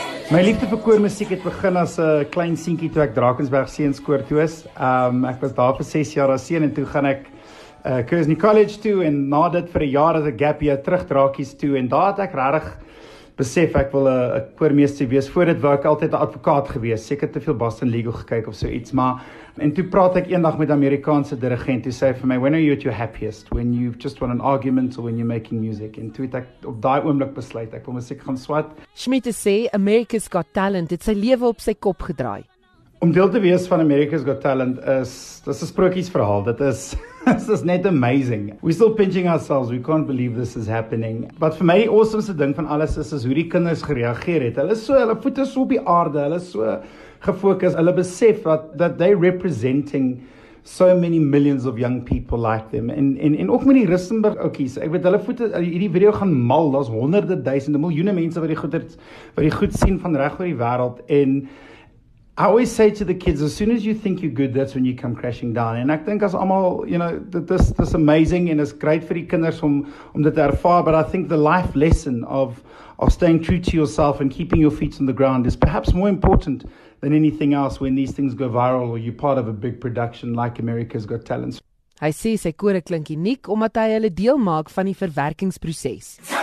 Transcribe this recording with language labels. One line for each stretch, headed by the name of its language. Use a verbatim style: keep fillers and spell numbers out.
Afrikaans: My liefde vir koormusiek het begin as 'n klein seentjie toe ek Drakensberg seenskoor toe is. Um, ek was daar vir ses jaar as seun en toe gaan ek uh, Kersney College toe en na dit vir 'n jaar as 'n gap year terug Drakies toe en daar het ek regtig besef ek wil 'n koormeester wees. Voor dit wou ek altyd 'n advokaat gewees. Seker te veel Boston Legal gekyk of so iets, maar en toe praat ek eendag met 'n Amerikaanse dirigent. Toe sê hy vir my,
English: "When are you at your happiest? When you've just won an argument or when you're making music?"
Afrikaans: En toe het ek op daai oomblik besluit ek wil musiek gaan swat. Schmidt sê America's Got Talent het sy lewe op sy kop gedraai. Om deel te wees van America's Got Talent is, dis 'n sprokiesverhaal. Dit is
English: This is net amazing. We're still pinching ourselves. We can't believe this is happening.
Afrikaans: Wat vir my die awesomeste ding van alles is, is hoe die kinders gereageer het. Hulle is so, hulle voete so op die aarde. Hulle is so gefokus. Hulle besef dat, dat
English: they representing so many millions of young people like them.
Afrikaans: En, en, en ook met die Rissenburg oukies. Ek weet, hulle voete, hierdie video gaan mal. Daar's honderde, duisende, miljoene mense wat die goed, het, wat die goed sien van reg oor die wêreld.
English: En I always say to the kids, as soon as you think you're good, that's when you come crashing down.
Afrikaans: En ek dink as almal,
English: you know, this this amazing en is great
Afrikaans: vir die kinders om om dit te ervaar,
English: but I think the life lesson of of staying true to yourself and keeping your feet on the ground is perhaps more important than anything else when these things go viral or you're part of a big production like America's Got Talent.
Afrikaans: Hy sê sy kore klink uniek omdat hy hulle deel maak van die verwerkingsproses.